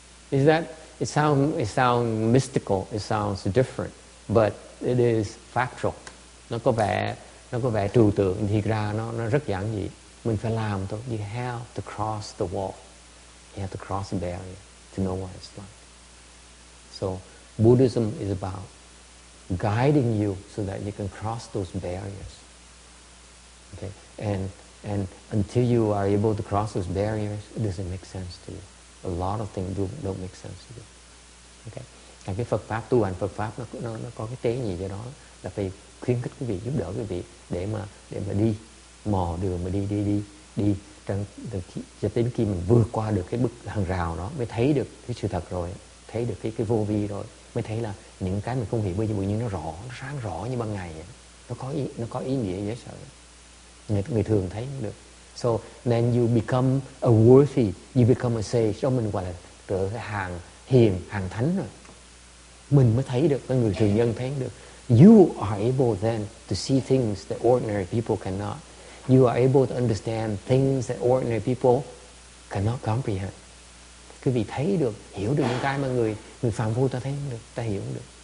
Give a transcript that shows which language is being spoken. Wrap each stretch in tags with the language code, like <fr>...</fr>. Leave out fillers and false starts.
<en>It sounds mystical, it sounds different, but it is factual.</en> <vi>Nó có vẻ trừu tượng, thiệt ra nó rất giản dị. Mình phải làm thôi.</vi> <en>You have to cross the wall. You have to cross the barrier to know what it's like. So Buddhism is about guiding you so that you can cross those barriers. Okay, and until you are able to cross those barriers, it doesn't make sense to you. A lot of things don't make sense to you. Okay, and</en> <vi>cái Phật pháp tu hành Phật pháp nó có cái tế nhị cho đó là phải khuyến khích quý vị, giúp đỡ quý vị để mà đi mò đường mà đi cho đến khi mình vượt qua được cái bức hàng rào đó mới thấy được cái sự thật rồi, thấy được cái vô vi rồi, mới thấy là những cái mình không hiểu bây giờ như nó rõ, nó sáng rõ như ban ngày vậy. Nó có ý nghĩa dễ sợ. Người thường thấy cũng được.</vi> <en>So then you become a worthy, you become a sage,</en> <vi>cho mình gọi là trở hàng hiền, hàng thánh rồi. Mình mới thấy được, người thường nhân thấy được.</vi> <en>You are able then to see things that ordinary people cannot. You are able to understand things that ordinary people cannot comprehend.</en> <vi>Quý vị thấy được, hiểu được những cái mà người phàm phu ta thấy được, ta hiểu được.</vi>